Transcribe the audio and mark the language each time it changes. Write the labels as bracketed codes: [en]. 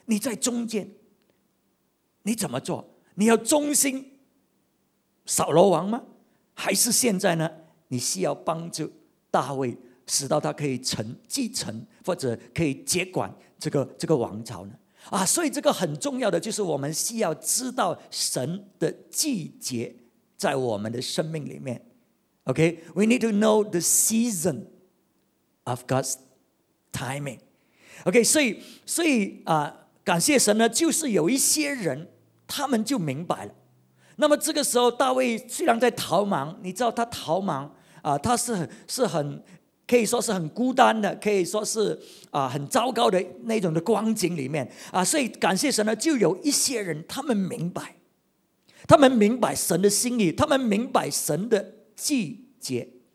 [zh] 你在中间，你怎么做？你要忠心扫罗王吗？还是现在呢？你需要帮助大卫，使到他可以继承或者可以接管这个王朝呢？啊，所以这个很重要的就是我们需要知道神的季节在我们的生命里面。 [en] OK, we need to know the season of God's timing. [zh] OK, 所以感谢神呢，就是有一些人他们就明白了。那么这个时候大卫虽然在逃亡，你知道他逃亡啊，他是很可以说是很孤单的，可以说是很糟糕的那种的光景里面啊，所以感谢神呢，就有一些人他们明白神的心意，他们明白神的季节。